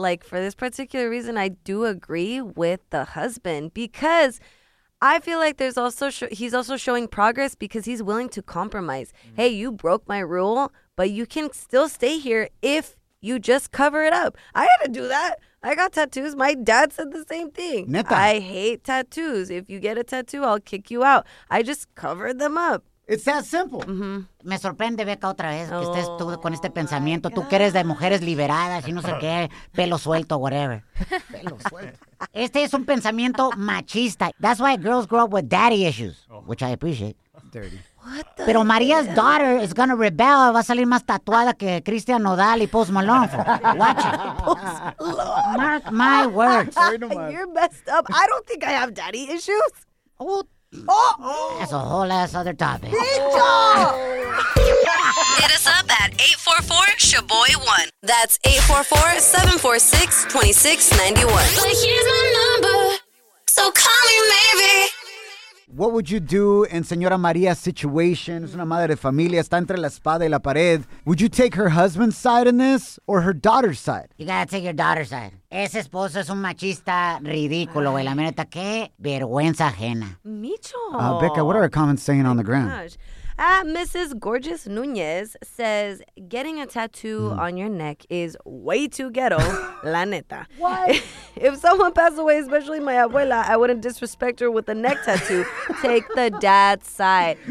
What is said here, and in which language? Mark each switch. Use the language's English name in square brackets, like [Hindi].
[English] Like, for this particular reason, I do agree with the husband because I feel like there's also he's also showing progress because he's willing to compromise. Mm-hmm. Hey, you broke my rule, but you can still stay here if you just cover it up. I had to do that. I got tattoos. My dad said the same thing. [Spanish] Neta. [English] I hate tattoos. If you get a tattoo, I'll kick you out. I just covered them up. It's that simple. Mm-hmm. [Spanish] Me sorprende, Beca, otra vez que estés tú con este pensamiento. Tú que eres de mujeres liberadas y no sé qué, pelo suelto, [English] whatever. [Spanish] Pelo suelto. Este es un pensamiento machista. [English] That's why girls grow up with daddy issues, which I appreciate. Dirty. What the Pero María's hell? Daughter is going to rebel. [Spanish] Va a salir más tatuada que Cristian Nodal y Post Malone. [English] For. Watch it. Post Malone. Mark my words. You're messed up. I don't think I have daddy issues. That's a whole ass other topic. Ninja! Hit us up at 844-SHABOY1. That's 844-746-2691. But here's my number, so call me maybe. What would you do in Señora María's situation? [Spanish] Es una madre de familia, está entre la espada y la pared. [English] Would you take her husband's side in this or her daughter's side? You gotta take your daughter's side. [Spanish] Ese esposo es un machista ridículo, güey. La neta, qué vergüenza ajena. Micho. [English] Becca, what are our comments saying on the ground? Mrs. Gorgeous Nunez says, getting a tattoo on your neck is way too ghetto, [Spanish] la neta. [English] What? If someone passed away, especially my abuela, I wouldn't disrespect her with a neck tattoo. Take the dad's side.